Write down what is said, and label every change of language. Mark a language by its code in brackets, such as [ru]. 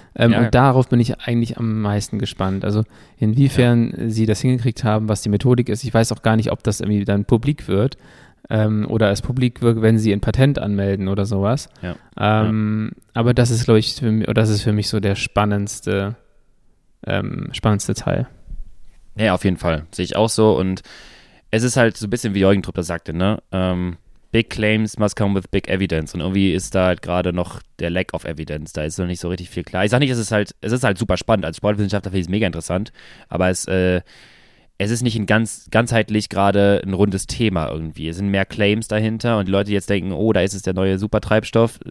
[de] Und darauf bin ich eigentlich am meisten gespannt. Also inwiefern sie das hingekriegt haben, was die Methodik ist. Ich weiß auch gar nicht, ob das irgendwie dann publik wird oder es publik wird, wenn sie ein Patent anmelden oder sowas. Aber das ist, glaube ich, für mich so der spannendste Teil. Ja, auf jeden Fall. Sehe ich auch so. Und es ist halt so ein bisschen, wie Jürgen Trupp das sagte, ne? [en] Big claims must come with big evidence. [de] Und irgendwie ist da halt gerade noch der [en] lack of evidence. [de] Da ist noch nicht so richtig viel klar. Ich sag nicht, es ist halt super spannend. Als Sportwissenschaftler finde ich es mega interessant. Aber es, es ist nicht ein ganzheitlich gerade ein rundes Thema irgendwie. Es sind mehr Claims dahinter und die Leute jetzt denken, oh, da ist es der neue Supertreibstoff.